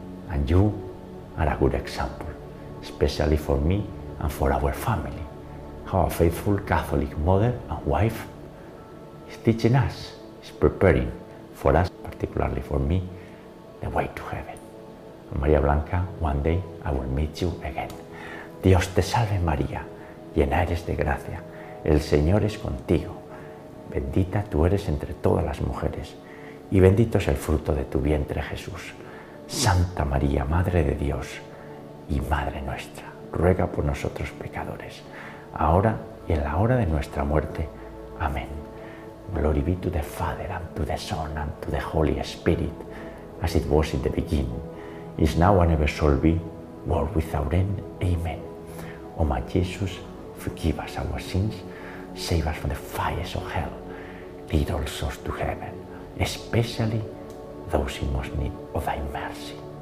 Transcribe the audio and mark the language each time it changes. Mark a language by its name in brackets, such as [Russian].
[English] And you are a good example, especially for me and for our family, how a faithful Catholic mother and wife is teaching us, is preparing for us, particularly for me, the way to heaven. María Blanca, one day I will meet you again. [Spanish] Dios te salve María, llena eres de gracia, el Señor es contigo, bendita tú eres entre todas las mujeres, y bendito es el fruto de tu vientre Jesús. Santa María, Madre de Dios y Madre nuestra, ruega por nosotros pecadores, ahora y en la hora de nuestra muerte. Amén. [English] Glory be to the Father, and to the Son, and to the Holy Spirit, as it was in the beginning, is now and ever shall be, world without end. Amen. O my Jesus, forgive us our sins, save us from the fires of hell, lead all souls to heaven, especially those in most need of thy mercy.